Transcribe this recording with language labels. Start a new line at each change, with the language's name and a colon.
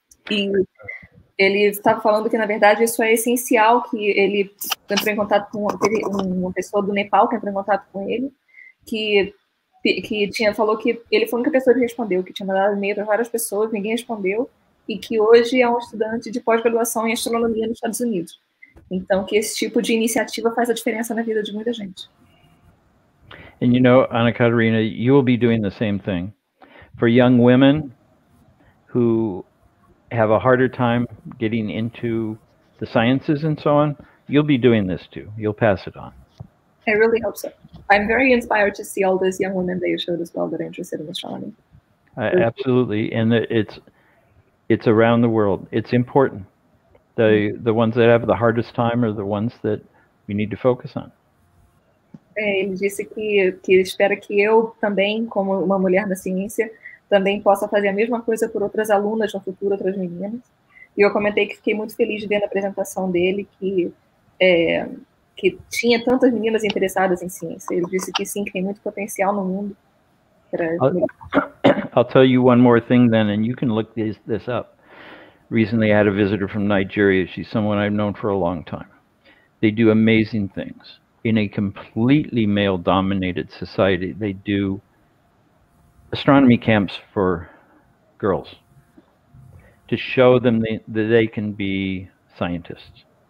Portuguese: E ele estava falando que, na verdade, isso é essencial, que ele entrou em contato com uma pessoa do Nepal, que entrou em contato com ele, que tinha falou que ele foi a única pessoa que respondeu, que tinha mandado e-mail para várias pessoas, ninguém respondeu, e que hoje é um estudante de pós-graduação em astronomia nos Estados Unidos. Então, que esse tipo de iniciativa faz a diferença na vida de muita gente.
English: And you know, Ana Catarina, you will be doing the same thing for young women who have a harder time getting into the sciences and so on, you'll be doing this too. You'll pass it on. I really hope so. I'm very inspired to see all those young women that you showed as well that are interested in astronomy. Absolutely. And it's around the world. It's important. The ones that have the hardest time are the ones that we need to focus on.
Portuguese: Ele disse que espera que eu também, como uma mulher na ciência, também possa fazer a mesma coisa por outras alunas no futuro, outras meninas. E eu comentei que fiquei muito feliz de ver na apresentação dele que tinha tantas meninas interessadas em ciência. Ele disse que sim, que tem muito potencial no mundo.
English: I'll tell you one more thing then, and you can look this up. Recently I had a visitor from Nigeria. She's someone I've known for a long time. They do amazing things. In a completely male-dominated society, they do astronomy camps for girls to show them that they can be scientists.